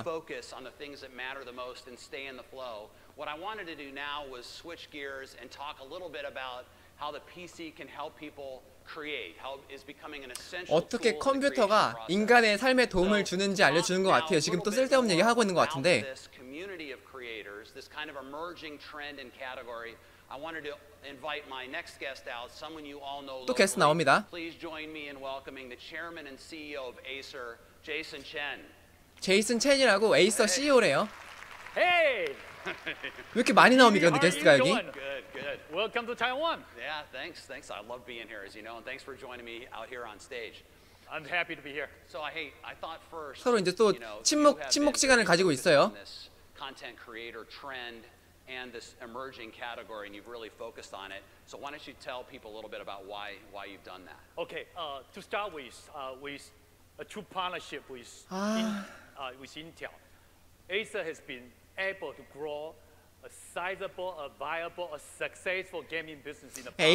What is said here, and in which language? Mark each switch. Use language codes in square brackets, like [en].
[en] Focus on the things that matter the most and stay in the flow. What I wanted to do now was switch gears and talk a little bit about how the PC can help people create. How is becoming an essential tool. [ko] 어떻게 컴퓨터가 인간의 삶에 도움을 주는지 알려주는 것 같아요. 지금 또 쓸데없는 얘기 하고 있는 것 같은데. [en] This community of creators, this kind of emerging trend and category. I wanted to invite my next guest out, someone you all know. [ko] 또 게스트 나옵니다. [en] Please join me in welcoming the chairman and CEO of Acer, Jason Chen. [ko] 제이슨 첸이라고 에이서 CEO래요. [en] Hey. [ko] 왜 이렇게 많이 나옵니까, 근데 게스트가 여기? [en] Good. Welcome to Taiwan. Yeah, thanks. I love being here, as you know, and thanks for joining me out here on stage. I'm happy to be here. So I thought first. [ko] 서로 이제 또 침묵 시간을 가지고 있어요. [en] Content creator trend and this emerging category, and you've really focused on it. So why don't you tell people a little bit about why you've done that? Okay. To start with a true partnership with Intel. Acer has been able to grow a sizable, a viable, a successful gaming business in the past.